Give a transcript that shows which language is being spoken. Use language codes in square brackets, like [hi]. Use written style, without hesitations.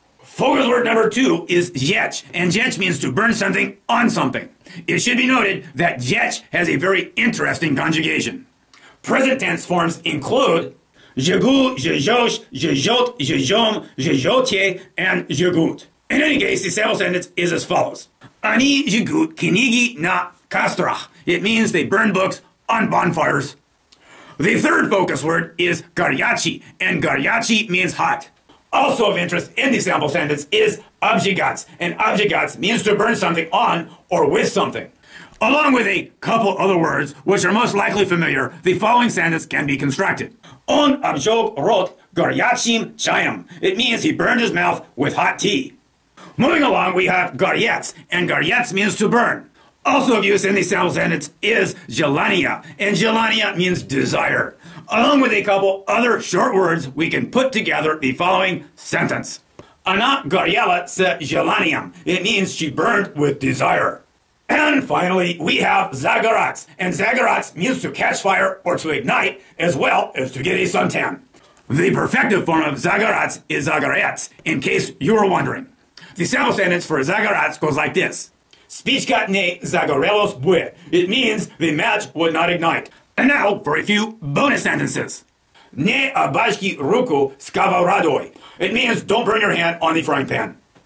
[en] Focus word number two is жечь, and жечь means to burn something on something. It should be noted that жечь has a very interesting conjugation. Present tense forms include жегу, жежёшь, жежёт, жежём, жежёте, and жегут. In any case, the sample sentence is as follows. [ru] Они жегут книги на кострах. [en] It means they burn books on bonfires. The third focus word is горячий, and горячий means hot. Also of interest in the sample sentence is обжигать, and обжигать means to burn something on or with something. Along with a couple other words, which are most likely familiar, the following sentence can be constructed. [ru] Он обжег рот горячим чаем. [en] It means he burned his mouth with hot tea. Moving along, we have горец, and горец means to burn. Also of use in the sample sentence is желание, and желание means desire. Along with a couple other short words, we can put together the following sentence. [ru] Она горела с желанием. [en] It means she burned with desire. And finally, we have загорать, and загорать means to catch fire or to ignite, as well as to get a suntan. The perfective form of загорать is загореться, in case you were wondering. The sample sentence for загорать goes like this. [ru] Спичка не загорелась бы. [en] It means the match would not ignite. And now for a few bonus sentences. [ru] Не обожги руку сковородой. [en] It means don't burn your hand on the frying pan.